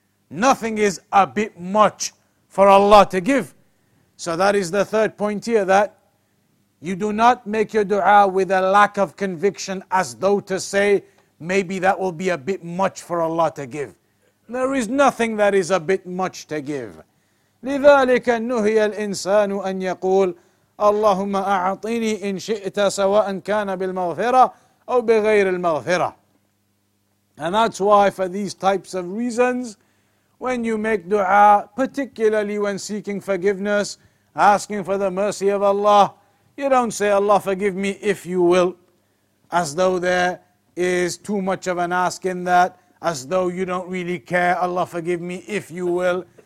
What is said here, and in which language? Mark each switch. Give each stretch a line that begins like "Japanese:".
English: Nothing is a bit much for Allah to give. So that is the third point here, that you do not make your dua with a lack of conviction, as though to say, maybe that will be a bit much for Allah to give. There is nothing that is a bit much to give.
Arabic: لذلك نهي الإنسان أن يقول اللهم أعطني إن شئت سواء كان بالمغفرة أو بغير المغفرة.
English: And that's why, for these types of reasons, when you make dua, particularly when seeking forgiveness, asking for the mercy of Allah, you don't say, Allah forgive me if you will, as though there is too much of an ask in that, as though you don't really care, Allah forgive me if you will.